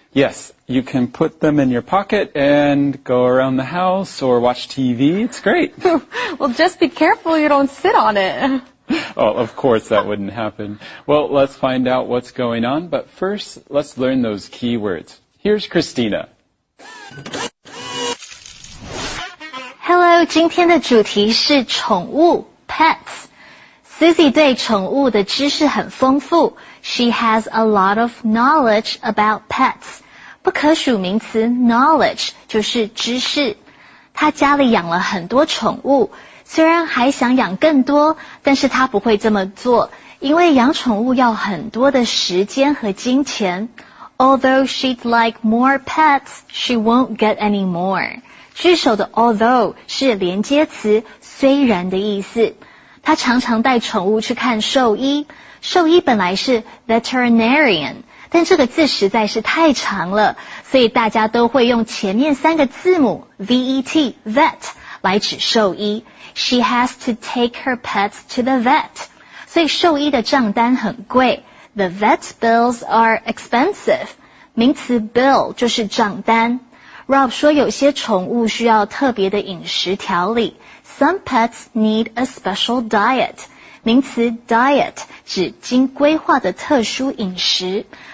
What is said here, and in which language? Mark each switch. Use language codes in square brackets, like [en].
[en] Yes, you can put them in your pocket and go around the house or watch TV. It's great. Well, just be careful you don't sit on it. Oh, of course that wouldn't happen. Well, let's find out what's going on, but first, let's learn those keywords. Here's Christina. [zh] Hello, 今天的主题是宠物, pets. Susie对宠物的知识很丰富. [en] She has a lot of knowledge about pets. [zh] 不可数名词 knowledge就是知识。她家里养了很多宠物, 虽然还想养更多, 但是她不会这么做, 因为养宠物要很多的时间和金钱。 [en] Although she'd like more pets, she won't get any more. [zh] 句首的although是连接词, 虽然的意思。她常常带宠物去看兽医, 兽医本来是veterinarian, 但这个字实在是太长了, 所以大家都会用前面三个字母, V-E-T, vet, 来指兽医。 [en] She has to take her pets to the vet. [zh] 所以兽医的账单很贵, [en] the vet bills are expensive. [zh] 名词bill就是账单。 Rob说有些宠物需要特别的饮食调理, [en] some pets need a special diet. [zh] 名词diet指经规划的特殊饮食。